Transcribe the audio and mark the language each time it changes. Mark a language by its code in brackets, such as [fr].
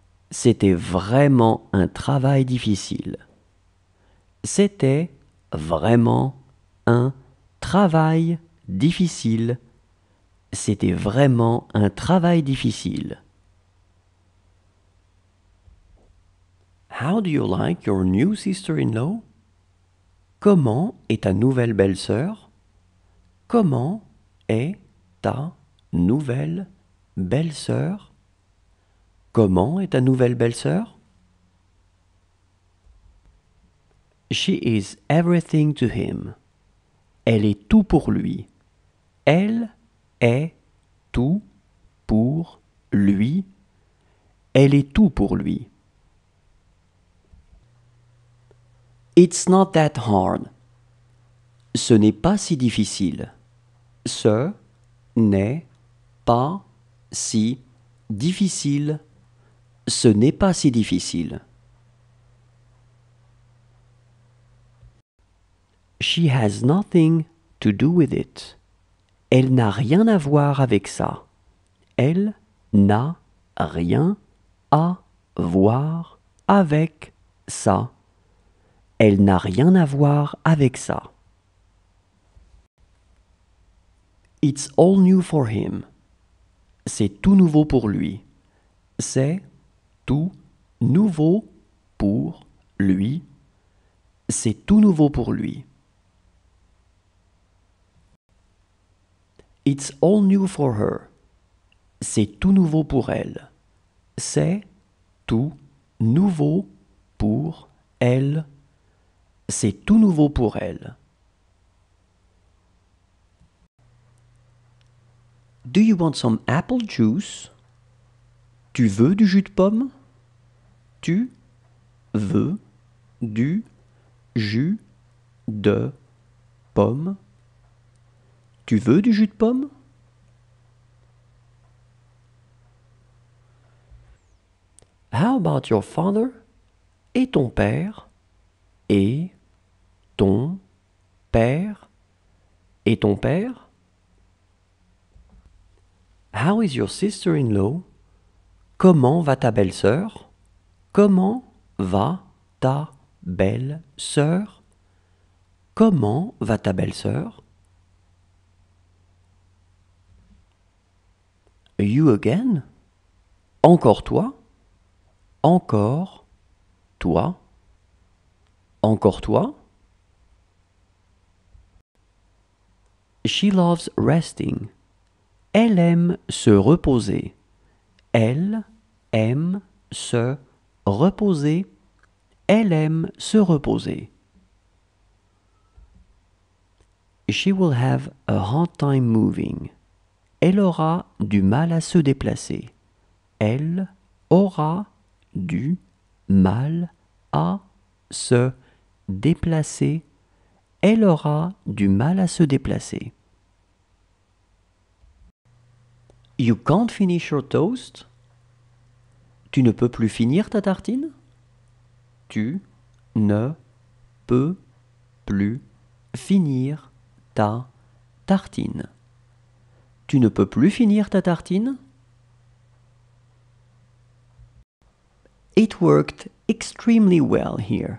[fr] C'était vraiment un travail difficile. C'était vraiment un travail difficile. C'était vraiment un travail difficile. [en] How do you like your new sister-in-law? [fr] Comment est ta nouvelle belle-sœur? Comment est ta nouvelle belle-sœur? Comment est ta nouvelle belle-sœur? [en] She is everything to him. [fr] Elle est tout pour lui. Elle est tout pour lui. Elle est tout pour lui. [en] It's not that hard. [fr] Ce n'est pas si difficile. Ce n'est pas si difficile. Ce n'est pas si difficile. [en] She has nothing to do with it. [fr] Elle n'a rien à voir avec ça. Elle n'a rien à voir avec ça. Elle n'a rien à voir avec ça. [en] It's all new for him. [fr] C'est tout nouveau pour lui. C'est tout nouveau pour lui. C'est tout nouveau pour lui. [en] It's all new for her. [fr] C'est tout nouveau pour elle. C'est tout nouveau pour elle. C'est tout nouveau pour elle. [en] Do you want some apple juice? [fr] Tu veux du jus de pomme? Tu veux du jus de pomme? Tu veux du jus de pomme? [en] How about your father? [fr] Et ton père? Et ton père? Et ton père? [en] How is your sister-in-law? [fr] Comment va ta belle-sœur? Comment va ta belle-sœur? Comment va ta belle-sœur? [en] You again? [fr] Encore toi? Encore toi? Encore toi? [en] She loves resting. [fr] Elle aime se reposer. Elle aime se reposer. Elle aime se reposer. [en] She will have a hard time moving. [fr] Elle aura du mal à se déplacer. Elle aura du mal à se déplacer. Elle aura du mal à se déplacer. [en] You can't finish your toast. [fr] Tu ne peux plus finir ta tartine? Tu ne peux plus finir ta tartine. Tu ne peux plus finir ta tartine? [en] It worked extremely well here.